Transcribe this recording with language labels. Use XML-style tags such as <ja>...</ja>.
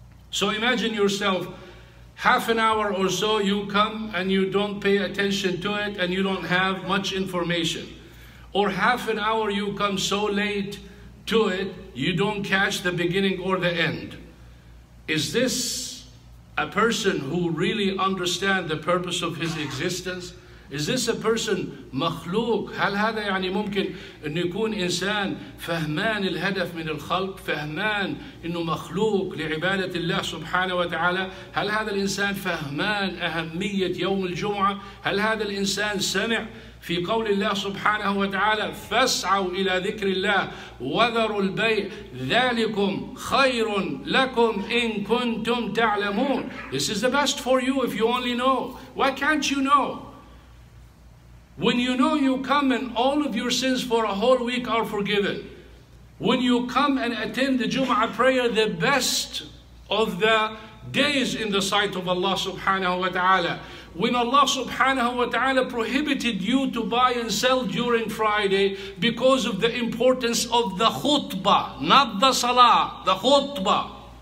<en>So imagine yourself, half an hour or so, you come and you don't pay attention to it and you don't have much information. Or half an hour you come so late to it, you don't catch the beginning or the end. Is this a person who really understands the purpose of his existence? Is this a person</en> <ar>مخلوق؟ هل هذا يعني ممكن أن يكون إنسان فهمان الهدف من الخلق؟ فهمان أنه مخلوق لعبادة الله سبحانه وتعالى؟ هل هذا الإنسان فهمان أهمية يوم الجمعة؟ هل هذا الإنسان سمع في قول الله سبحانه وتعالى فاسعوا إلى ذكر الله وذروا البيع ذلكم خير لكم إن كنتم تعلمون؟</ar> <en>This is the best for you if you only know. Why can't you know? When you know you come and all of your sins for a whole week are forgiven. When you come and attend the Jumu'ah prayer, the best of the days in the sight of Allah subhanahu wa ta'ala. When Allah subhanahu wa ta'ala prohibited you to buy and sell during Friday because of the importance of the khutbah, not the salah, the khutbah.</en>